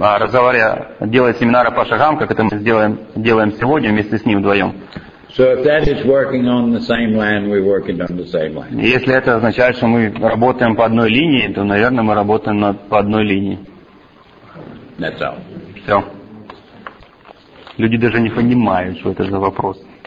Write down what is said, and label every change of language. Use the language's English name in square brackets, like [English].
[Russian] Делая семинары по шагам, как это мы делаем сегодня вместе с ним вдвоем. [English] So if that is working on the same line, we're working on the same line. [Russian] Если это означает, что мы работаем по одной линии, то, наверное, мы работаем по одной линии. [English] That's all. [Russian] Все. Люди даже не понимают, что это за вопрос.